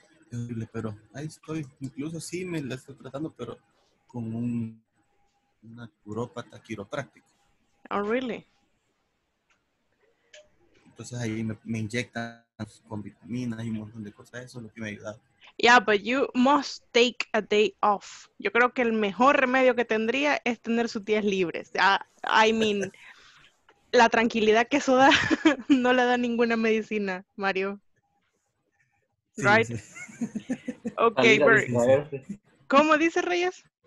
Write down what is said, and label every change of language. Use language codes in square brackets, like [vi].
[es] Horrible, pero ahí estoy. Incluso sí me la estoy tratando, pero con un naturópata quiropráctico. [en] Oh, really? [es] Entonces ahí me inyectan con vitaminas y un montón de cosas. Eso es lo que me ha ayudado. [en] Yeah, but you must take a day off. [es] Yo creo que el mejor remedio que tendría es tener sus días libres. [en] I mean, [es] la tranquilidad que eso da no le da ninguna medicina, Mario. Right. Sí. Okay, ¿cómo dice Reyes?